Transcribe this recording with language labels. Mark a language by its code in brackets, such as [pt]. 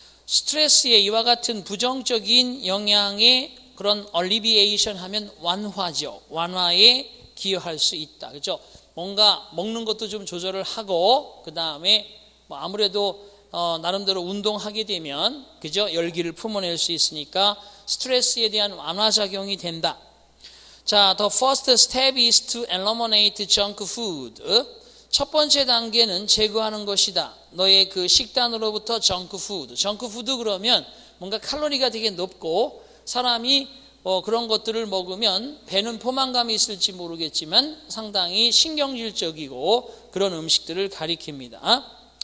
[ko] 스트레스의 이와 같은 부정적인 영향의 그런 alleviation 하면 완화죠. 완화에 기여할 수 있다. 그죠? 뭔가 먹는 것도 좀 조절을 하고, 그 다음에 뭐 아무래도 나름대로 운동하게 되면 그죠? 열기를 품어낼 수 있으니까 스트레스에 대한 완화작용이 된다. [en] 자, the first step is to eliminate junk food. [ko] 첫 번째 단계는 제거하는 것이다. 너의 그 식단으로부터 junk food. junk food 그러면 뭔가 칼로리가 되게 높고 사람이 그런 것들을 먹으면 배는 포만감이 있을지 모르겠지만 상당히 신경질적이고 그런 음식들을 가리킵니다.